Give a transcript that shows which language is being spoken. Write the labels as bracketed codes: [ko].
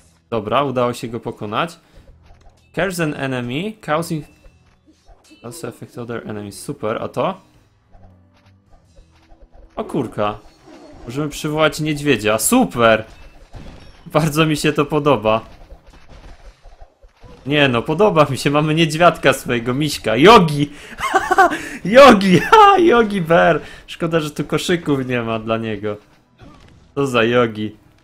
[pl] Dobra, udało się go pokonać. [en] Curse an enemy, causing... also affect other enemies, [pl] super, a to? O kurka. Możemy przywołać niedźwiedzia, super! Bardzo mi się to podoba. Nie no, podoba mi się, mamy niedźwiadka swojego, miśka. Yogi! Yogi! Yogi Bear! Szkoda, że tu koszyków nie ma dla niego. Co za Yogi.